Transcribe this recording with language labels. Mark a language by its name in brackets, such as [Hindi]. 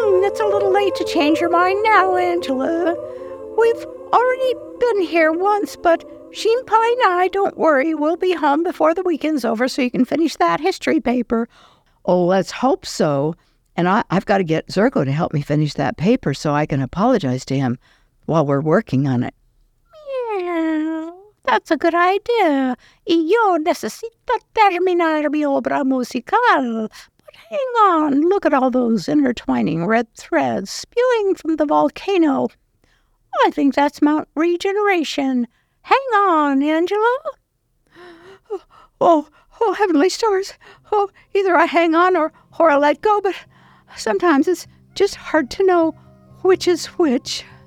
[English] It's a little late to change your mind now, Angela. We've already been here once, but Shinpai and I, don't worry, we'll be home before the weekend's over so you can finish that history paper. Oh, let's hope so. And I've got to get Zirko to help me finish that paper so I can apologize to him while we're working on it. Meow. That's a good idea. [Spanish] Yo necesito terminar mi obra musical. [English] But hang on, look at all those intertwining red threads spewing from the volcano. I think that's Mount Regeneration. Hang on, Angela. Oh, heavenly stars. Oh, either I hang on or I let go, but sometimes it's just hard to know which is which.